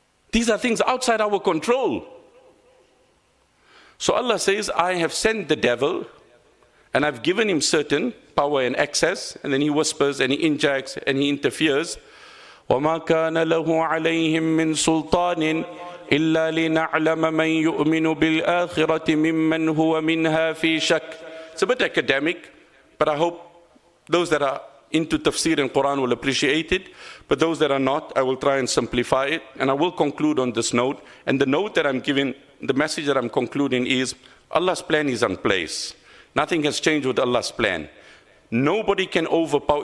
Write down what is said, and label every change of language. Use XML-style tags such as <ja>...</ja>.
<en>These are things outside our control. So Allah says, I have sent the devil and I've given him certain power and access, and then he whispers and he injects and he interferes.</en> <ar>وَمَا كَانَ لَهُ عَلَيْهِمْ مِنْ سُلْطَانٍ إلا لنعلم من يؤمن بالآخرة ممن هو منها في شك.</ar> <en>It's a bit academic, but I hope those that are into tafsir and Quran will appreciate it. But those that are not, I will try and simplify it. And I will conclude on this note. And the note that I'm giving, the message that I'm concluding is, Allah's plan is in place. Nothing has changed with Allah's plan. Nobody can overpower.</en>